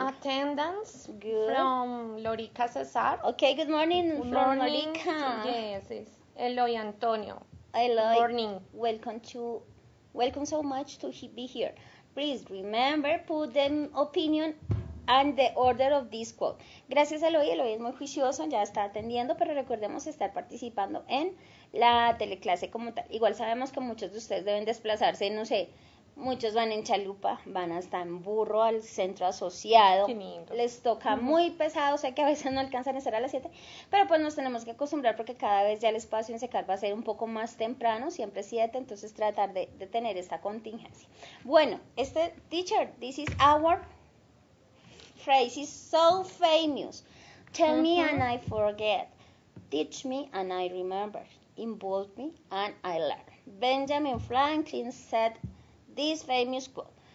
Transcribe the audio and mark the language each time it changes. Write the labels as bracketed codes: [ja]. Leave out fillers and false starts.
[en] Attendance. Good. From Lorica Cesar. Okay, good morning. From Lorica. Yes, it's Eloy Antonio. Eloy. Good morning. Welcome so much to be here. Please remember, put the opinion and the order of this quote. [es] Gracias, Eloy. Eloy es muy juicioso, ya está atendiendo, pero recordemos estar participando en la teleclase como tal. Igual sabemos que muchos de ustedes deben desplazarse, no sé, muchos van en chalupa, van hasta en burro al centro asociado. Qué lindo. Les toca muy pesado, o sea que a veces no alcanzan a estar a las 7, pero pues nos tenemos que acostumbrar porque cada vez ya el espacio en Cecar va a ser un poco más temprano, siempre 7, entonces tratar de tener esta contingencia. Bueno, este [en] teacher, this is our phrase is so famous. Tell me and I forget. Teach me and I remember. Involve me and I learn. Benjamin Franklin said this famous quote.